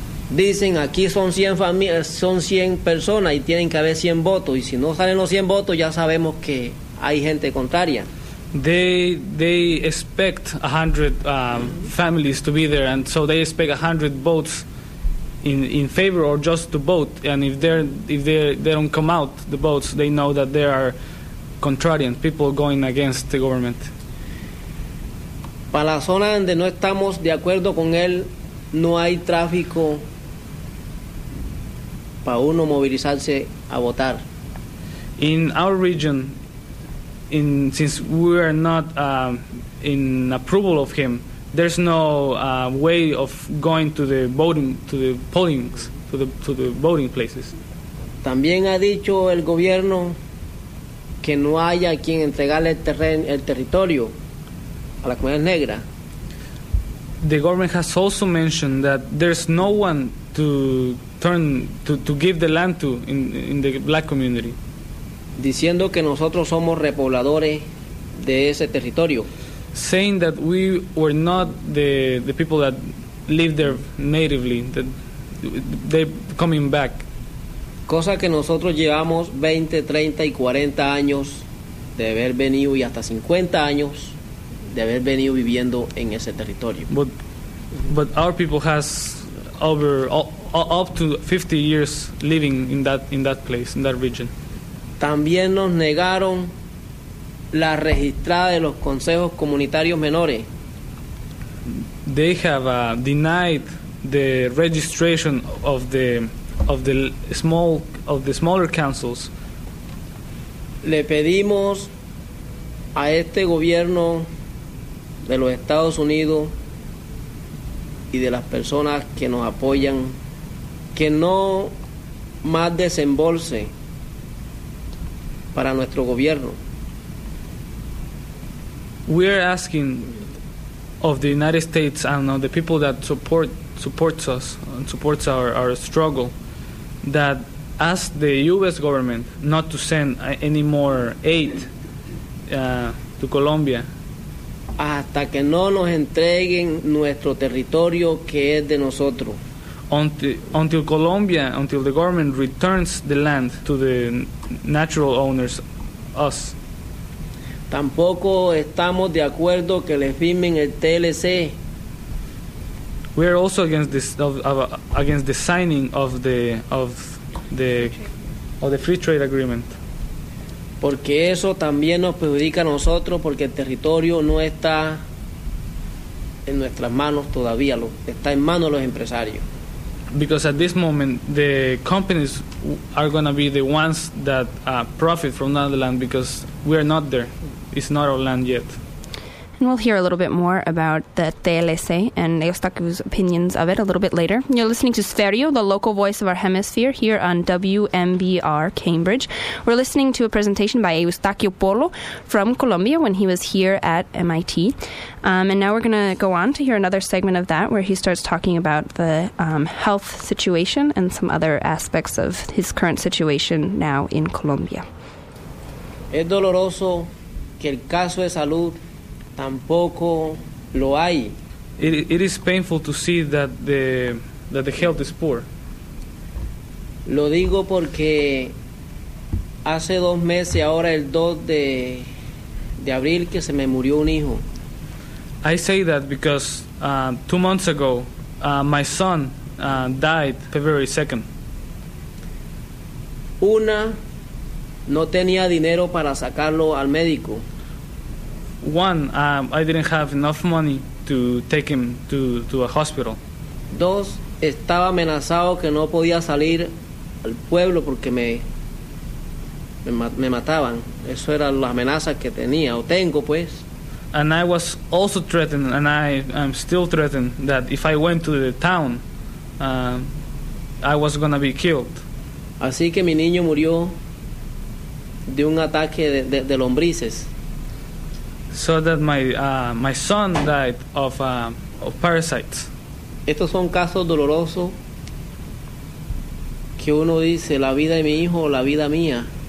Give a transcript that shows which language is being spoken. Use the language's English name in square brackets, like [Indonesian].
[Spanish] Dicen aquí son 100 familias, son 100 personas y tienen que haber 100 votos, y si no salen los 100 votos ya sabemos que hay gente contraria. [English] They expect 100 families to be there, and so they expect 100 votes in favor or just to vote, and if they don't come out the votes, they know that there are contrarian people going against the government. [Spanish] Para la zona donde no estamos de acuerdo con él no hay tráfico para uno movilizarse a votar. [English] In our region, since we are not in approval of him, there's no way of going to the voting, to the voting places. [Spanish] También ha dicho el gobierno que no haya quien entregarle el territorio a la comunidad negra. [English] The government has also mentioned that there's no one to give the land to in the black community. [Spanish] Diciendo que nosotros somos repobladores de ese territorio. [English] Saying that we were not the people that live there natively, that they're coming back. [Spanish] Cosa que nosotros llevamos 20, 30 y 40 años de haber venido, y hasta 50 años de haber venido viviendo en ese territorio. [English] But our people has up to 50 years living in that place, in that region. [Spanish] También nos negaron la registrada de los consejos comunitarios menores. [English] They have denied the registration of the smaller councils. [Spanish] le pedimos a este gobierno de los Estados Unidos y de las personas que nos apoyan que no más desembolse para nuestro gobierno. [English] We are asking of the United States and of the people that supports us and supports our struggle that ask the U.S. government not to send any more aid to Colombia. [Spanish] Hasta que no nos entreguen nuestro territorio que es de nosotros. [English] Until the government returns the land to the natural owners, us. [Spanish] Tampoco estamos de acuerdo que le firmen el TLC. [English] We are also against the signing of the free trade agreement. [Spanish] Porque eso también nos perjudica a nosotros porque el territorio no está en nuestras manos todavía, está en manos de los empresarios. [English] Because at this moment the companies are going to be the ones that profit from the land because we are not there. It's not our land yet. And we'll hear a little bit more about the TLC and Eustaquio's opinions of it a little bit later. You're listening to Sferio, the local voice of our hemisphere, here on WMBR Cambridge. We're listening to a presentation by Eustaquio Polo from Colombia when he was here at MIT. And now we're going to go on to hear another segment of that where he starts talking about the health situation and some other aspects of his current situation now in Colombia. [Spanish] Es doloroso que el caso de salud tampoco lo hay. [English] It is painful to see that the health is poor. [Spanish] Lo digo porque hace dos meses, ahora el 2 de abril, que se me murió un hijo. [English] I say that because 2 months ago, my son died February 2nd. [Spanish] Una, no tenía dinero para sacarlo al médico. [English] One, I didn't have enough money to take him to a hospital. [Spanish] Dos, estaba amenazado que no podía salir al pueblo porque me mataban. Eso era la amenaza que tenía o tengo, pues. [English] And I was also threatened, and I am still threatened that if I went to the town, I was gonna be killed. [Spanish] Así que mi niño murió de un ataque de lombrices. [English] So that my son died of parasites. [Spanish] Estos son casos dolorosos que uno dice la vida de mi hijo o la vida mía.